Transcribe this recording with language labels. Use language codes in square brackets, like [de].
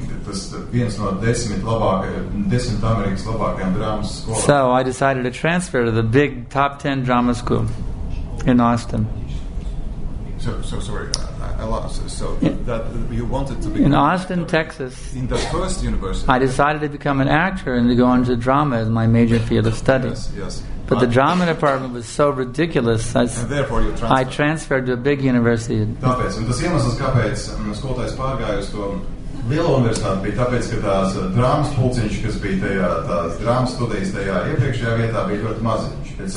[lv] tas viens no 10 labākajiem, 10 Amerikas labākajām drāmas skolām. [en] So I decided to transfer to the big top 10 drama school in Austin. So sorry. So you wanted to be in Austin, Texas. In the first university, I decided to become an actor and to go into drama as my major field of study. Yes. But the drama department was so ridiculous. I transferred to a big university. [lv] Tāpēc, un tas iemesls, kāpēc skolotājs pārgāja uz to lielo universitāti, bija tāpēc, ka tās drāmas pulciņš, kas bija tajā, tās drāmas studijas tajā iepriekšējā vietā, bija ļoti maziņš.